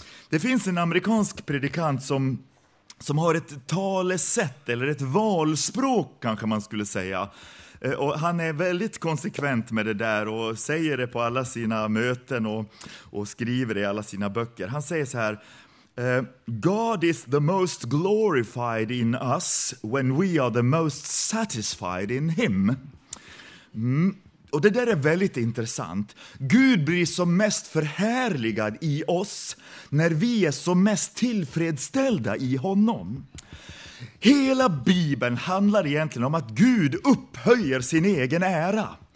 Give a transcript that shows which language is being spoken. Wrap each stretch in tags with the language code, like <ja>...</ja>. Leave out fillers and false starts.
<sv>Det finns en amerikansk predikant som har ett talesätt eller ett valspråk kanske man skulle säga. Och han är väldigt konsekvent med det där och säger det på alla sina möten och skriver det i alla sina böcker. Han säger så här:</sv> <en>God is the most glorified in us when we are the most satisfied in him.</en> <sv>Och det där är väldigt intressant. Gud blir som mest förhärligad i oss när vi är som mest tillfredsställda i honom. Hela Bibeln handlar egentligen om att Gud upphöjer sin egen ära.</sv>